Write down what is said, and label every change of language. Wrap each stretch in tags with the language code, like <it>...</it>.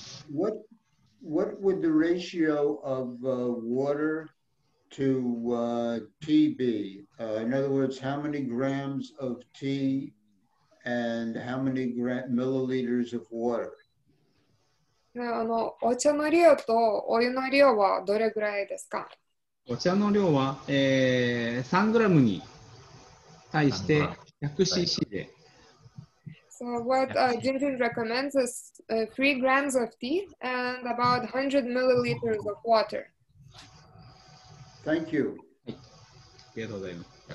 <en>What would the ratio of water to tea be? In other words, how many grams of tea and how many milliliters of water?</en> <ja>お茶の量とお湯の量はどれぐらいですか？お茶の量は、3グラムに対して 100cc で。</ja> <en>So what Jinjin recommends is 3 grams of tea and about 100 milliliters of water. Thank you.、</en> <ja>はい、ありがとうございます。</ja>